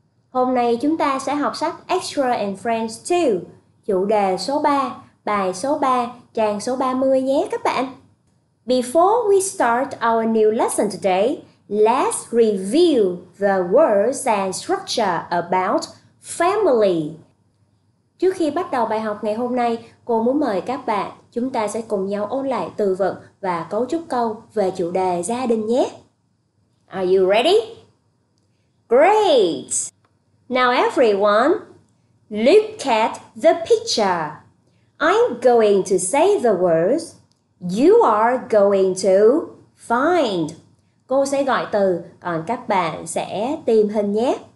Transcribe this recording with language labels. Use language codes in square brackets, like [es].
[vi] Hôm nay chúng ta sẽ học sách Extra and Friends 2, chủ đề số 3. Bài số 3, trang số 30 nhé các bạn. [en] Before we start our new lesson today, let's review the words and structure about family. [vi] Trước khi bắt đầu bài học ngày hôm nay, cô muốn mời các bạn chúng ta sẽ cùng nhau ôn lại từ vựng và cấu trúc câu về chủ đề gia đình nhé. [en] Are you ready? Great! Now everyone, look at the picture. I'm going to say the words, you are going to find. [vi] Cô sẽ gọi từ, còn các bạn sẽ tìm hình nhé.